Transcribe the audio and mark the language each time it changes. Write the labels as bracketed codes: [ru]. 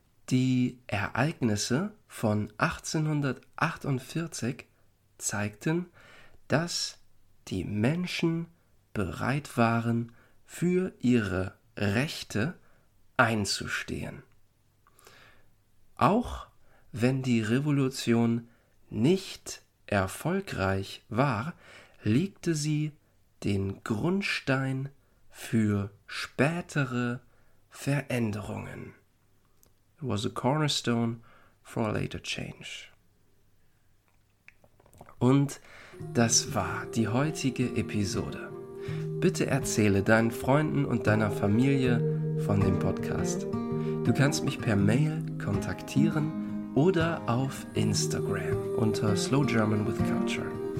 [de] Die Ereignisse von 1848 zeigten, dass die Menschen bereit waren, für ihre Rechte einzustehen. Auch wenn die Revolution nicht erfolgreich war, legte sie den Grundstein für spätere Veränderungen. [en] It was a cornerstone for a later change. [de] Und das war die heutige Episode. Bitte erzähle deinen Freunden und deiner Familie von dem Podcast. Du kannst mich per Mail kontaktieren oder auf Instagram unter Slow German with Culture.